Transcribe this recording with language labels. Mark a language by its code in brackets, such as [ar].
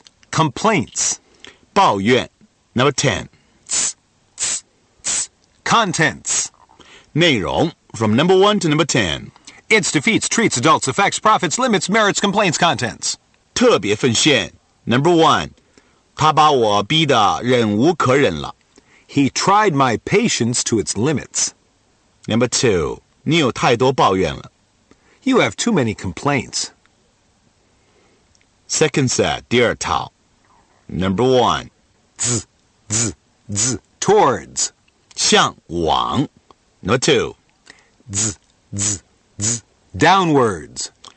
[en] complaints, [zh] 抱怨 [en] Number ten, contents, [zh] 内容 [en] From number one to number ten, it's defeats, treats, adults, effects, profits, limits, merits, complaints, contents. [zh] 特别奉献 [en] Number one, [zh] 他把我逼得忍无可忍了。 [en] He tried my patience to its limits. Number two, [zh] 你有太多抱怨了。 [en] You have too many complaints. Second set, [zh] 第二套。 [en] Number one, z, z, z, towards, [zh] 向往。 [en] Number two, z, z, z, downwards,